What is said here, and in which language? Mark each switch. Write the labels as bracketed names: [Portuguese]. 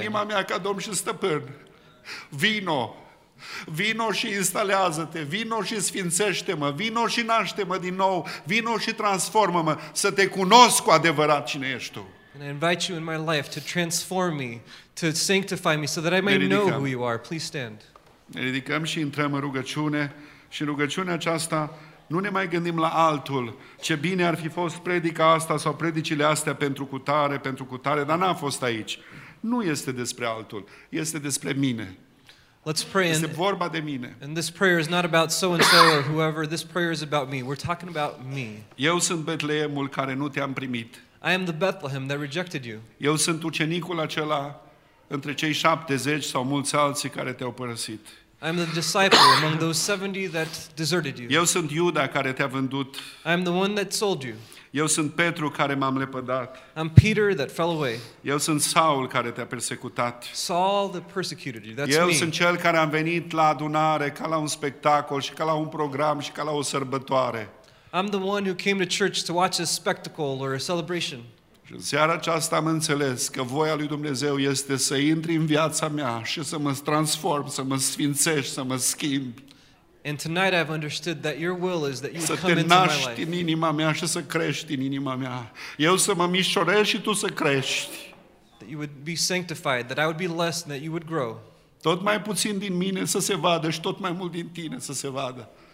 [Romanian] inima mea ca Domn și Stăpân. Vino. Vino și instalează-te, vino și sfințește-mă, vino și naște-mă din nou, vino și transformă-mă, să te cunosc cu adevărat cine ești tu. [English] And I invite you in my life to transform me, to sanctify me, so that I may know who you are. Please stand. [Romanian] Ne ridicăm și intrăm în rugăciune și rugăciunea aceasta Nu ne mai gândim la altul. Ce bine ar fi fost predica asta sau predicile astea pentru cutare, pentru cutare, dar n-a fost aici. Nu este despre altul, este despre mine. [English] Let's pray. [Romanian] Este vorba de mine. [English] And this prayer is not about so and so or whoever. This prayer is about me. We're talking about me. [Romanian] Eu sunt Betleemul care nu te-am primit. [English] I am the Bethlehem that rejected you. [Romanian] Eu sunt ucenicul acela între cei 70 sau mulți alții care te-au părăsit. [English] I am the disciple among those 70 that deserted you. [Romanian] Eu sunt Iuda care te-a vândut. [English] I am the one that sold you. [Romanian] Eu sunt Petru care m-am lepădat. [English] I'm Peter that fell away. [Romanian] Eu sunt Saul care te-a persecutat. [English] Saul that persecuted you. That's [Romanian] Eu [English] me. [Romanian] Sunt cel care am venit la adunare ca la un spectacol și ca la un program și ca la o sărbătoare. [English] I'm the one who came to church to watch a spectacle or a celebration. [Romanian] Și în seara aceasta am înțeles că voia lui Dumnezeu este să intri în viața mea și să mă transform, să mă sfințești, să mă schimbi. [English] And tonight I've understood that your will is that you [Romanian] să [English] come into my life. [Romanian] Să te naști în inima mea și să crești în inima mea. Eu să mă mișorez și tu să crești. [English] That you would be sanctified, that I would be less and that you would grow. [Romanian] Tot mai puțin din mine să se vadă și tot mai mult din tine să se vadă.